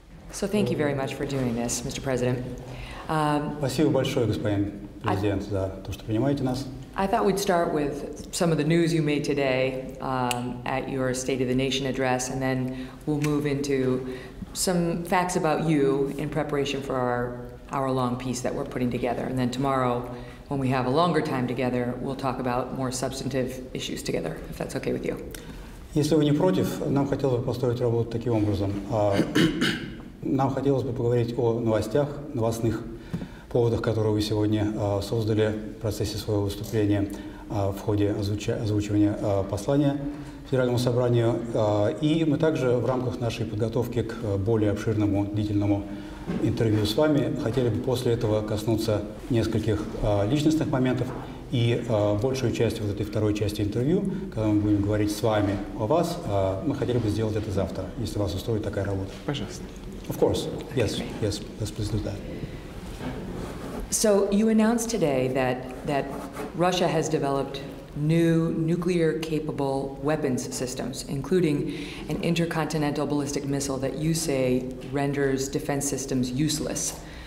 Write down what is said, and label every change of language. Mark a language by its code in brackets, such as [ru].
[en] So thank you very much for doing this, Mr. President. [ru] Спасибо большое, господин президент, за то, что принимаете нас. [en] I thought we'd start with some of the news you made today at your State of the Nation address, and then we'll move into some facts about you in preparation for our hour-long piece that we're putting together. And then tomorrow, when we have a longer time together, we'll talk about more substantive issues together, if that's okay with you. [ru] Если вы не против, нам хотелось бы построить работу таким образом. Нам хотелось бы поговорить о новостях, новостных поводах, которые вы сегодня создали в процессе своего выступления в ходе озвучивания послания Федеральному собранию. И мы также в рамках нашей подготовки к более обширному, длительному интервью с вами хотели бы после этого коснуться нескольких личностных моментов. И большую часть вот этой второй части интервью, когда мы будем говорить с вами о вас, мы хотели бы сделать это завтра, если вас устроит такая работа. Пожалуйста. [en] Of course. Yes, yes, yes, please do that. So you announced today that Russia has developed new nuclear-capable weapons systems, including an intercontinental ballistic missile that you say renders defense systems useless.